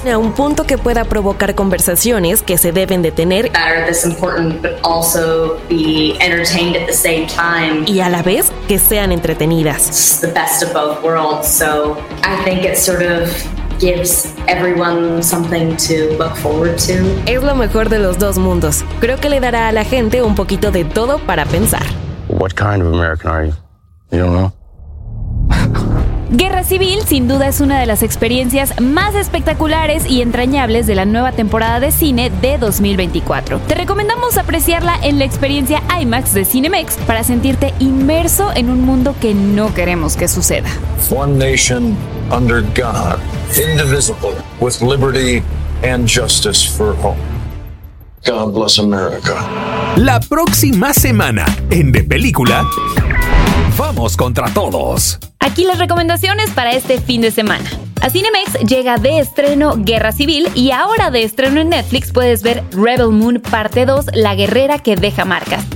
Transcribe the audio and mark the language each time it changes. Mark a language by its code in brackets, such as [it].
[es] A un punto que pueda provocar conversaciones que se deben de tener. [en] That are this important, but also be entertained at the same time. [es] Y a la vez que sean entretenidas. [en] It's the best of both worlds, so I think it's sort of. Gives everyone something to look forward to. [es] Es lo mejor de los dos mundos. Creo que le dará a la gente un poquito de todo para pensar. [en] What kind of American are you? You don't know. [es] Guerra Civil, sin duda, es una de las experiencias más espectaculares y entrañables de la nueva temporada de cine de 2024. Te recomendamos apreciarla en la experiencia IMAX de Cinemex para sentirte inmerso en un mundo que no queremos que suceda. [en] One nation under God, indivisible, with liberty and justice for all. God bless America. [es] La próxima semana en De Película, vamos contra todos. Aquí las recomendaciones para este fin de semana. A Cinemex llega de estreno Guerra Civil y ahora de estreno en Netflix puedes ver Rebel Moon Parte 2, La Guerrera que Deja Marcas.